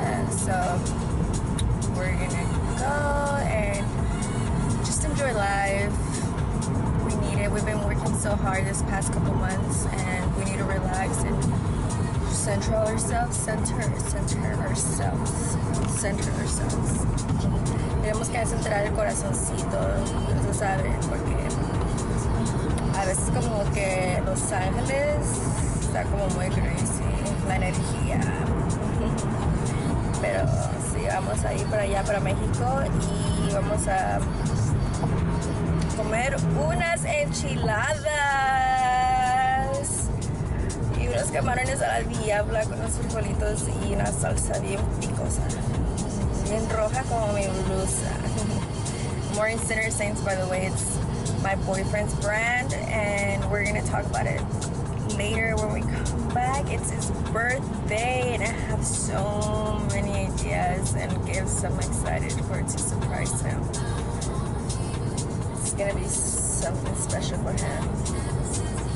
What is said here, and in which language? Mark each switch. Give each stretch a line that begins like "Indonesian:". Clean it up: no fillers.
English: So we're gonna go and just enjoy life. We need it. We've been working so hard this past couple months, and we need to relax and center ourselves.
Spanish: Tenemos que centrar el corazoncito, tú sabes, porque a veces como que Los Ángeles está como muy crazy, la energía. Pero sí, vamos a ir para allá, para México, y vamos a comer unas enchiladas y unos camarones a la diabla con unos frijolitos y una salsa bien picosa. En roja como mi blusa.
English: Morning Sinner Saints, by the way, it's my boyfriend's brand, and we're gonna talk about it later when we come back. It's his birthday, and I have so many ideas and gifts. I'm excited for it to surprise him. It's gonna be something special for him.